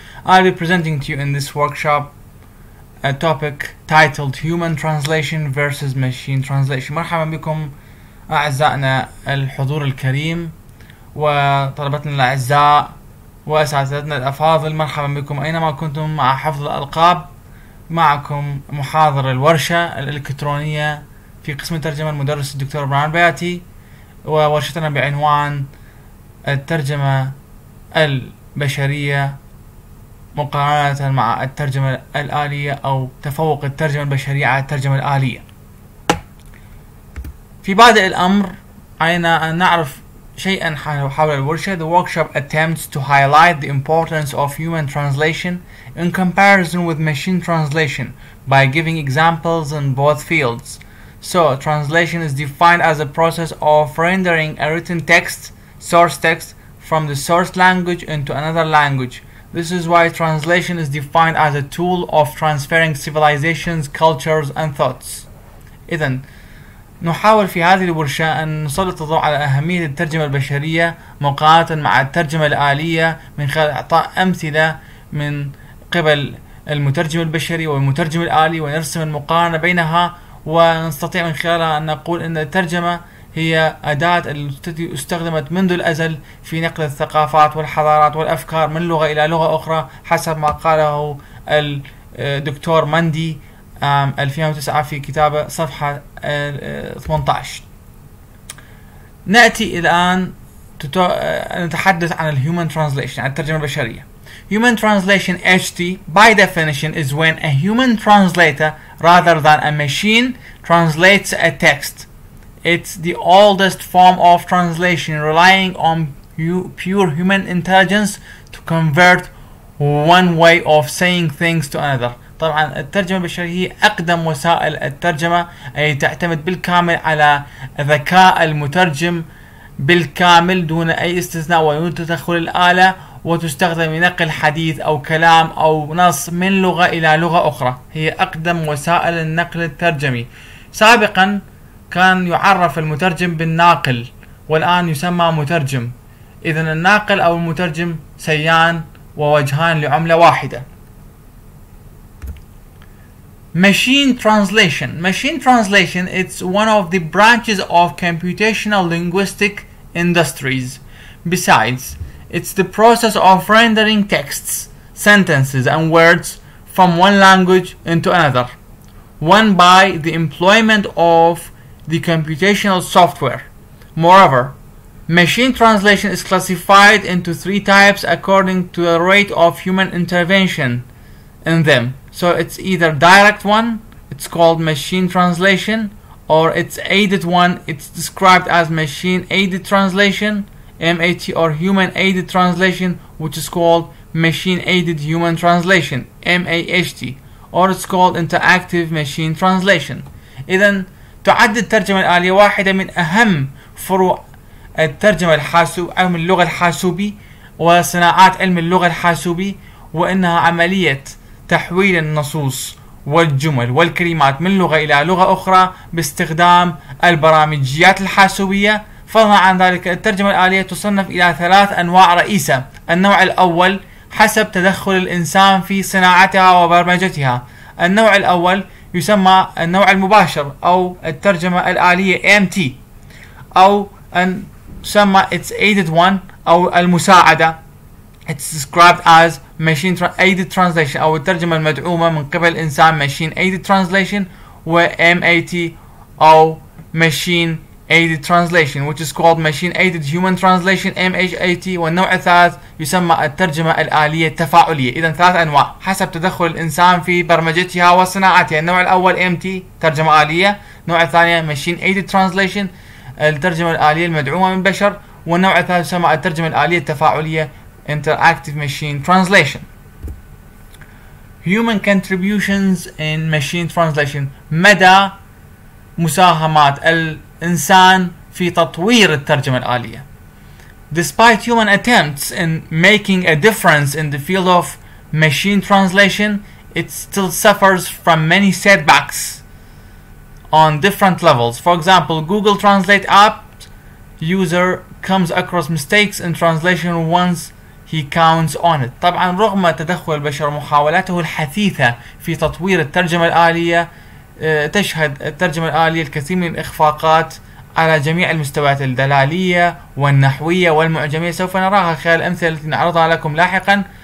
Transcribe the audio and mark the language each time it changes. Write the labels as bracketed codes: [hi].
[en] I'll be presenting to you in this workshop a topic titled Human Translation versus Machine Translation. [ar] مرحبا بكم أعزائنا الحضور الكريم وطلبتنا الأعزاء وأساتذتنا الأفاضل. مرحبا بكم أينما كنتم مع حفظ الألقاب. معكم محاضر الورشة الإلكترونية في قسم الترجمة المدرس الدكتور إبراهيم بياتي وورشتنا بعنوان الترجمة البشرية مقارنة مع الترجمة الآلية أو تفوق الترجمة البشرية على الترجمة الآلية. في بادئ الأمر علينا أن نعرف شيئا حول الورشة. [en] The workshop attempts to highlight the importance of human translation in comparison with machine translation by giving examples in both fields. So, translation is defined as a process of rendering a written text, source text, from the source language into another language. This is why translation is defined as a tool of transferring civilizations, cultures, and thoughts. [ar] إذن نحاول في هذه الورشة أن نسلط الضوء على أهمية الترجمة البشرية مقارنة مع الترجمة الآلية من خلال إعطاء أمثلة من قبل المترجم البشري والمترجم الآلي ونرسم المقارنة بينها ونستطيع من خلالها أن نقول أن الترجمة هي أداة التي استخدمت منذ الأزل في نقل الثقافات والحضارات والأفكار من لغة إلى لغة أخرى حسب ما قاله الدكتور مندي 2009 في كتابة صفحة 18. نأتي الآن نتحدث عن الهيومن ترانسليشن عن الترجمة البشرية. [en] Human translation HT by definition is when a human translator rather than a machine translates a text. It's the oldest form of translation relying on pure human intelligence to convert one way of saying things to another. [ar] طبعا الترجمة البشرية هي أقدم وسائل الترجمة أي تعتمد بالكامل على ذكاء المترجم بالكامل دون أي استثناء ودون تدخل الآلة وتستخدم لنقل حديث أو كلام أو نص من لغة إلى لغة أخرى. هي أقدم وسائل النقل الترجمي. سابقا كان يعرف المترجم بالناقل والآن يسمى مترجم. إذن الناقل أو المترجم سيان ووجهان لعملة واحدة. [en] Machine translation. Machine translation is one of the branches of computational linguistic industries. Besides, it's the process of rendering texts, sentences, and words from one language into another, one by the employment of the computational software. Moreover, machine translation is classified into three types according to the rate of human intervention in them. So it's either direct one, it's called machine translation, or it's aided one, it's described as machine aided translation, MAT, or human aided translation, which is called machine aided human translation, MAHT, or it's called interactive machine translation. [ar] إذن تعد الترجمة الآلية واحدة من أهم فروع الترجمة الحاسوب علم اللغة الحاسوبي وصناعات علم اللغة الحاسوبي وإنها عملية تحويل النصوص والجمل والكلمات من لغة إلى لغة أخرى باستخدام البرامجيات الحاسوبية. فضلا عن ذلك الترجمة الآلية تصنف إلى ثلاث أنواع رئيسة. النوع الأول حسب تدخل الإنسان في صناعتها وبرمجتها. النوع الأول يسمى النوع المباشر أو الترجمة الآلية MT أو أن تسمى [en] It's Aided One [ar] أو المساعدة. [en] It's described as machine aided translation [ar] أو الترجمة المدعومة من قبل الإنسان [en] machine aided translation و MAT أو machine aided translation which is called machine aided human translation MHAT. [ar] والنوع الثالث يسمى الترجمة الآلية التفاعلية. إذن ثلاث أنواع حسب تدخل الإنسان في برمجتها وصناعتها. النوع الأول MT ترجمة آلية. النوع الثاني [en] machine aided translation [ar] الترجمة الآلية المدعومة من بشر. والنوع الثالث يسمى الترجمة الآلية التفاعلية [en] Interactive Machine Translation. Human Contributions in Machine Translation. [ar] مدى مساهمات الإنسان في تطوير الترجمة الآلية. [en] Despite human attempts in making a difference in the field of machine translation, it still suffers from many setbacks on different levels. For example, Google Translate app user comes across mistakes in translation once he counts on it. [ar] طبعا رغم تدخل البشر محاولاته الحثيثة في تطوير الترجمة الآلية تشهد الترجمة الآلية الكثير من الإخفاقات على جميع المستويات الدلالية والنحوية والمعجمية سوف نراها خلال الأمثلة التي نعرضها لكم لاحقا.